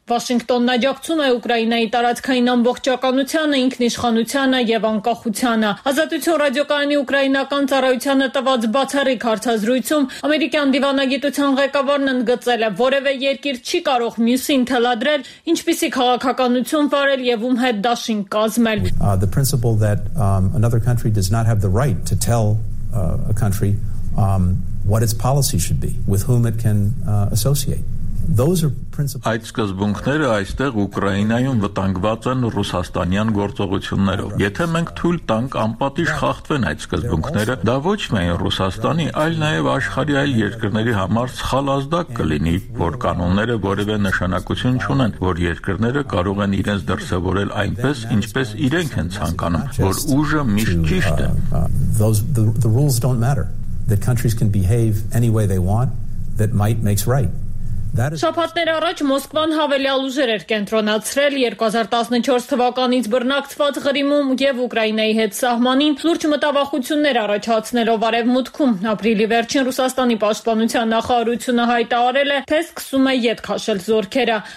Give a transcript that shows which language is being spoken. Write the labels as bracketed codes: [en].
[hy] Վաշինգտոնն աջակցում է Ուկրաինայի տարածքային ամբողջականությանը, ինքնիշխանությանը եւ անկախությանը։ Ազատություն ռադիոկայանի ուկրաինական ծառայությանը տված բացառիկ հարցազրույցում ամերիկյան դիվանագիտության ղեկավարն ընդգծել է, որևէ երկիր չի կարող մյուսին թելադրել, ինչպիսի քաղաքականություն վարել եւ ում հետ դաշինք կազմել։ [en] The principle that another country does not have the right to tell a country what its policy should be, with whom it can associate. Those are principles. [hy] Այդ սկզբունքները այստեղ Ուկրաինայում վտանգված են ռուսաստանյան գործողություններով։ Եթե մենք թույլ տանք անպատիժ խախտվեն այդ սկզբունքները, դա ոչ միայն Ռուսաստանի, այլ նաև աշխարհի այլ երկրների համար սխալ ազդակ կլինի, որ կանոնները որևէ նշանակություն չունեն, որ երկրները կարող են իրենց դրսևորել այնպես, ինչպես իրենք են ցանկանում, որ ուժը միշտ ճիշտ է։ [en] The rules don't matter. The countries can behave any way they want that might makes right. [hy] Շաբաթներ առաջ Մոսկվան հավելյալ ուժեր էր կենտրոնացրել 2014 թվականից բռնակցված Ղրիմում և Ուկրաինայի հետ սահմանին, լուրջ մտավախություններ առաջացնելով արևմուտքում։ Ապրիլի վերջին Ռուսաստանի պաշտպանության նախարարությունը հայտարարել է, թե սկսում է ետ քաշել զորքերը։